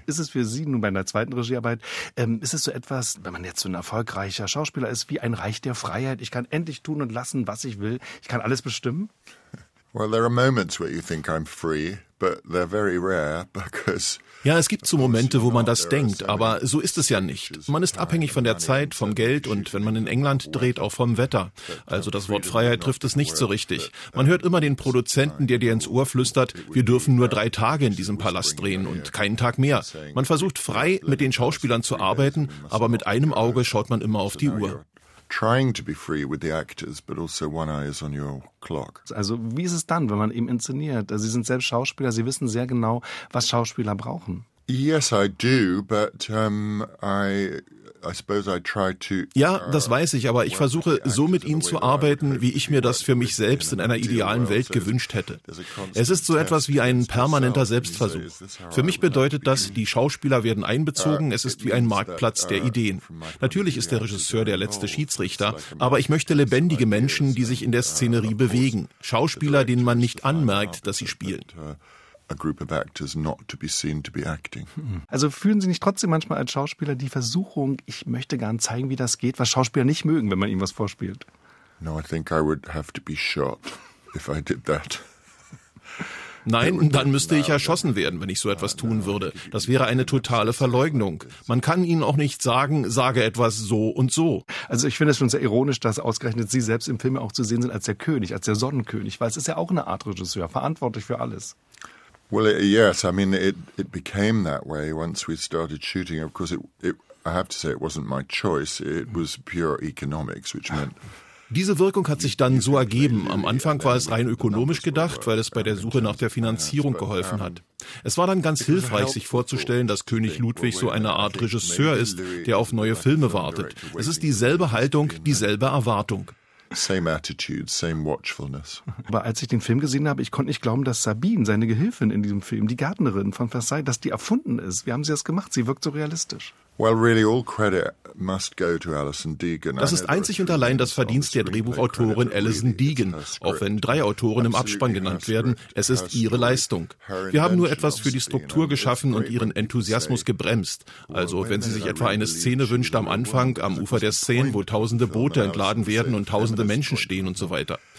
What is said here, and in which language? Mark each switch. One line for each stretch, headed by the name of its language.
German: Ist es für Sie nun bei einer zweiten Regiearbeit, ist es so etwas, wenn man jetzt so ein erfolgreicher Schauspieler ist, wie ein Reich der Freiheit? Ich kann endlich tun und lassen, was ich will. Ich kann alles bestimmen.
English: Well, there are moments where you think I'm free, but they're very rare because.
German: Ja, es gibt so Momente, wo man das denkt, aber so ist es ja nicht. Man ist abhängig von der Zeit, vom Geld und wenn man in England dreht, auch vom Wetter. Also das Wort Freiheit trifft es nicht so richtig. Man hört immer den Produzenten, der dir ins Ohr flüstert, wir dürfen nur 3 Tage in diesem Palast drehen und keinen Tag mehr. Man versucht frei mit den Schauspielern zu arbeiten, aber mit einem Auge schaut man immer auf die Uhr.
English: Trying to be free with the actors, but also one eye is on your clock.
German: Also wie ist es dann, wenn man eben inszeniert? Sie sind selbst Schauspieler, Sie wissen sehr genau, was Schauspieler brauchen.
English: Yes, I do, but I suppose I try to.
German: Ja, das weiß ich, aber ich versuche so mit ihnen zu arbeiten, wie ich mir das für mich selbst in einer idealen Welt gewünscht hätte. Es ist so etwas wie ein permanenter Selbstversuch. Für mich bedeutet das, die Schauspieler werden einbezogen, es ist wie ein Marktplatz der Ideen. Natürlich ist der Regisseur der letzte Schiedsrichter, aber ich möchte lebendige Menschen, die sich in der Szenerie bewegen. Schauspieler, denen man nicht anmerkt, dass sie spielen.
English: a group of actors not to be seen to be acting.
German: Also fühlen Sie nicht trotzdem manchmal als Schauspieler die Versuchung, ich möchte gern zeigen, wie das geht, was Schauspieler nicht mögen, wenn man ihnen was vorspielt?
English: No, I think I would have to be shot if I did that.
German: Nein, dann müsste ich erschossen werden, wenn ich so etwas tun würde. Das wäre eine totale Verleugnung. Man kann ihnen auch nicht sagen, sage etwas so und so. Also ich finde es schon sehr ironisch, dass ausgerechnet Sie selbst im Film auch zu sehen sind als der König, als der Sonnenkönig, weil es ist ja auch eine Art Regisseur, verantwortlich für alles.
English: Well, yes, I mean, it became that way once we started shooting. Of course, I have to say, it wasn't my choice. It was pure economics, which meant...
German: Diese Wirkung hat sich dann so ergeben. Am Anfang war es rein ökonomisch gedacht, weil es bei der Suche nach der Finanzierung geholfen hat. Es war dann ganz hilfreich, sich vorzustellen, dass König Ludwig so eine Art Regisseur ist, der auf neue Filme wartet. Es ist dieselbe Haltung, dieselbe Erwartung.
English: Same attitude, same watchfulness.
German: Aber als ich den Film gesehen habe, ich konnte nicht glauben, dass Sabine, seine Gehilfin in diesem Film, die Gärtnerin von Versailles, dass die erfunden ist. Wie haben Sie das gemacht? Sie wirkt so realistisch.
English: Well, really, all credit must go to Alison Deegan.
German: Das ist einzig und allein das Verdienst der Drehbuchautorin Alison Deegan, auch wenn drei Autoren im Abspann genannt werden. Es ist ihre Leistung. Wir haben nur etwas für die Struktur geschaffen und ihren Enthusiasmus gebremst. Also, wenn sie sich etwa eine Szene wünscht am Anfang, am Ufer der Szene, wo tausende Boote entladen werden und tausende Menschen stehen und so weiter.